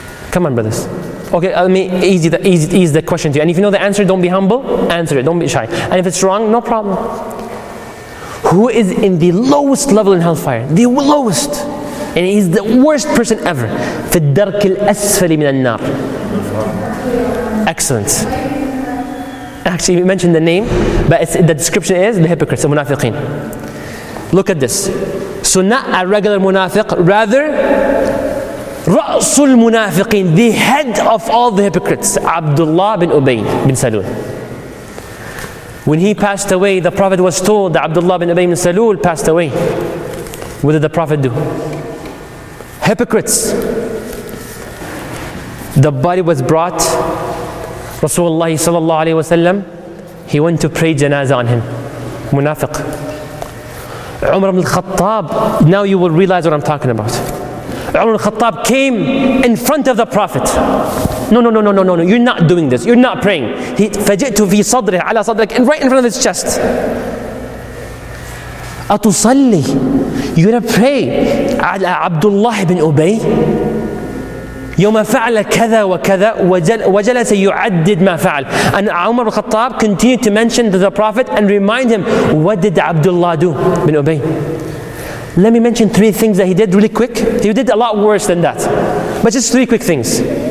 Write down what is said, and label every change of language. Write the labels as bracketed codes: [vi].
[en] Come on, brothers. Okay, let me ease the question to you. And if you know the answer, don't be humble. Answer it. Don't be shy. And if it's wrong, no problem. Who is in the lowest level in hellfire? The lowest. and he's the worst person ever. [ar] في الدرك الأسفل من النار. [en] Excellent. Actually, you mentioned the name, but it's, the description is the hypocrites, the munafiqeen. Look at this. So not a regular munafiq, rather رأس المنافقين, the head of all the hypocrites, Abdullah bin Ubayn bin Salul. When he passed away, the Prophet was told that Abdullah bin Ubayn bin Salul passed away. What did the Prophet do? Hypocrites. The body was brought. Rasulullah sallallahu alayhi wa sallam, he went to pray janazah on him. Munafiq. Umar ibn al-Khattab, now you will realize what I'm talking about. Umar al-Khattab came in front of the Prophet. No, you're not doing this. You're not praying. He fajitu fi sadrih ala sadrik, and right in front of his chest. Atusalli, you're gonna pray ala Abdullah ibn Ubay? [ar] يوم فعل كذا وكذا وجلس يعدد ما فعل. [en] And Umar al-Khattab continued to mention to the Prophet and remind him, what did Abdullah do bin Ubayn? Let me mention three things that he did really quick. He did a lot worse than that, but just three quick things.